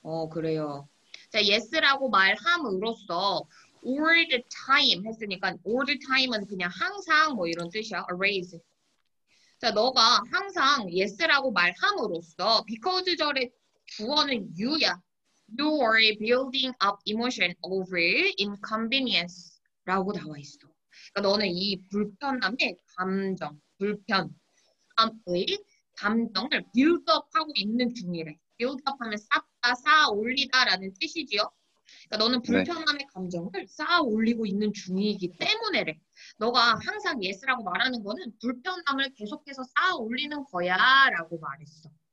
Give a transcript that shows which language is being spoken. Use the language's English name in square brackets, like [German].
[Korean] 그래요. 자, yes라고 말함으로써 all the time 했으니까 all the time은 그냥 항상 뭐 이런 뜻이야. [English] always. [Korean] 자, 너가 항상 yes라고 말함으로써 because 절의 주어는 you야. [English] You are building up emotion over inconvenience 라고 나와 있어. [Korean] 그러니까 너는 이 불편함의 감정, 불편함의 감정을 build up 하고 있는 중이래. 대우답하면 쌓다, 쌓아 올리다라는 뜻이지요. 그러니까 너는 불편함의 네. 감정을 쌓아 올리고 있는 중이기 때문에래. 너가 항상 예스라고 말하는 거는 불편함을 계속해서 쌓아 올리는 거야 라고 말했어.